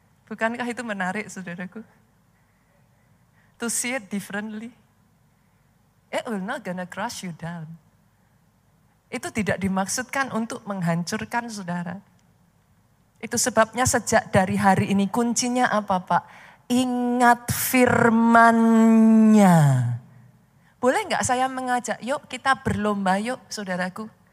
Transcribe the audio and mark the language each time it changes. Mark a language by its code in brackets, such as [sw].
[id] Bukankah itu menarik, saudaraku? [en] To see it differently. It will not gonna crush you down. [id] Itu tidak dimaksudkan untuk menghancurkan saudara. Itu sebabnya sejak dari hari ini kuncinya apa, Pak? Ingat firman-Nya. Boleh gak saya mengajak, yuk kita berlomba yuk, saudaraku.